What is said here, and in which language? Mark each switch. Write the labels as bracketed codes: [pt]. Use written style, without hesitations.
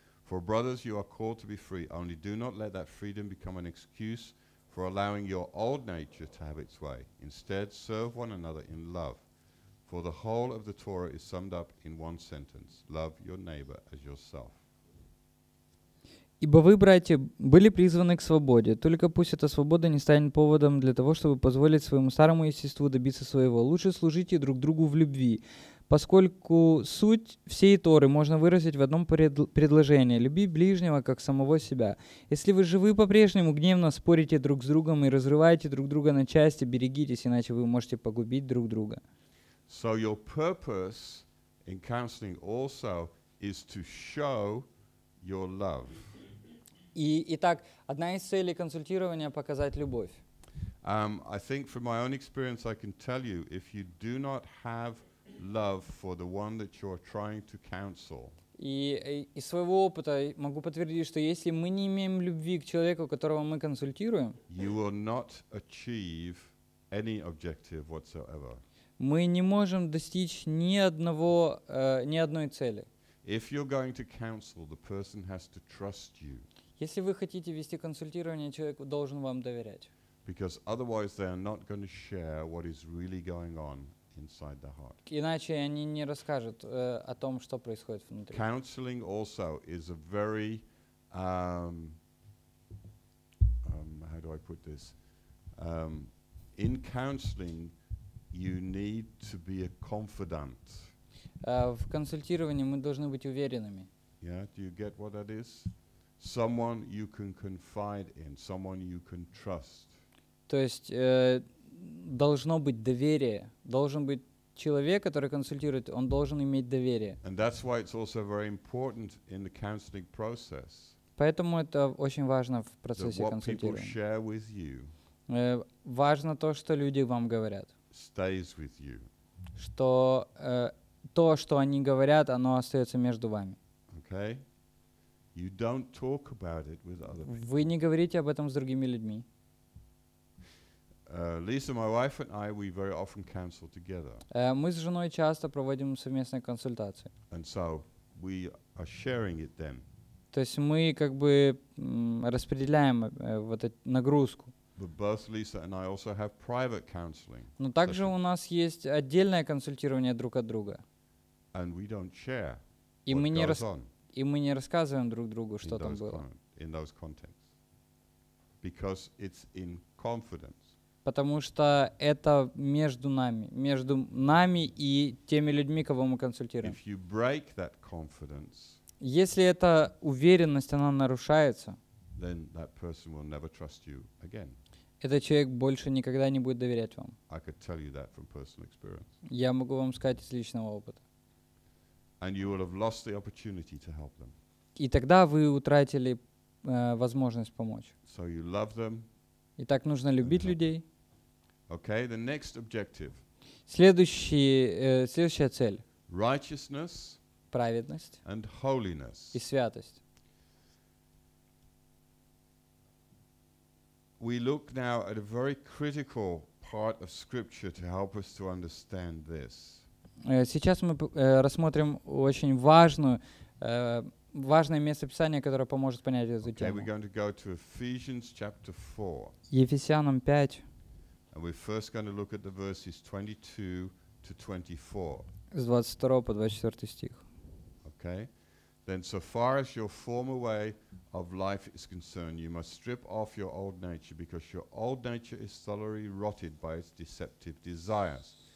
[en] For brothers, you are called to be free. Only do not let that freedom become an excuse for allowing your old nature to have its way. Instead, serve one another in love. For the whole of the Torah is summed up in one sentence: love your neighbor as yourself. [ru] Ибо вы, братья, были призваны к свободе. Только пусть эта свобода не станет поводом для того, чтобы позволить своему старому естеству добиться своего. Лучше служите друг другу в любви, поскольку суть всей Торы можно выразить в одном предложении: люби ближнего как самого себя. Если вы живы по-прежнему гневно спорите друг с другом и разрываете друг друга на части, берегитесь, иначе вы можете погубить друг друга. [en] So your purpose in counseling also is to show your love. [ru] Итак, одна из целей консультирования — показать любовь. [en] I think from my own experience I can tell you, if you do not have love for the one that you are trying to counsel. [ru] И из своего опыта могу подтвердить, что если мы не имеем любви к человеку, которого мы консультируем, [en] you will not achieve any objective whatsoever. [ru] Мы не можем достичь ни одной цели. [en] If you're going to counsel, the person has to trust you. [ru] Если вы хотите вести консультирование, человек должен вам доверять. [en] Because otherwise they are not going to share what is really going on inside the heart. [ru] Иначе они не расскажут о том, что происходит внутри. [en] Counseling also is a very how do I put this? In counseling you need to be a confidant. [ru] В консультировании мы должны быть уверенными. [en] Yeah, do you get what that is? Someone you can confide in, someone you can trust. [ru] То есть должно быть доверие. Должен быть человек, который консультирует, он должен иметь доверие. [en] And that's why it's also very important in the counseling process. [ru] Поэтому это очень важно в процессе консультирования. [en] That what people share with you. [ru] Важно то, что люди вам говорят. [en] Stays with you. [ru] Что то, что они говорят, оно остается между вами. [en] Okay. You don't talk about it with other people. [ru] Вы не говорите об этом с другими людьми. [en] Lisa, my wife and I, we very often counsel together. [ru] Мы с женой часто проводим совместные консультации. [en] And so we are sharing it then. [ru] То есть мы как бы распределяем вот эту нагрузку. [en] But both Lisa and I also have private counseling. [ru] Но также у нас есть отдельное консультирование друг от друга. [en] And we don't share what goes on. [ru] И мы не рассказываем друг другу, что там было. [en] In those contexts, because it's in confidence. [ru] Потому что это между нами, и теми людьми, кого мы консультируем. [en] If you break that confidence, [ru] если эта уверенность она нарушается, [en] then that person will never trust you again. [ru] Этот человек больше никогда не будет доверять вам. [en] I could tell you that from personal experience. [ru] Я могу вам сказать из личного опыта. [en] And you will have lost the opportunity to help them. [ru] И тогда вы утратили возможность помочь. [en] So you love them. [ru] Итак, нужно любить людей. [en] Okay, the next objective. [ru] Следующая цель. [en] Righteousness. [ru] Праведность. [en] And holiness. [ru] И святость. [en] We look now at a very critical part of Scripture to help us to understand this. [ru] Сейчас мы рассмотрим очень важное место Писания, которое поможет понять эту тему. [en] We're going to go to Ephesians chapter 4. [ru] Ефесянам 5. [en] And we're first going to look at the verses 22 to 24. [ru] С 22 по 24 стих. [en] Okay. Then so far as your former way of life is concerned, you must strip off your old nature, because your old nature is thoroughly rotted by its deceptive desires.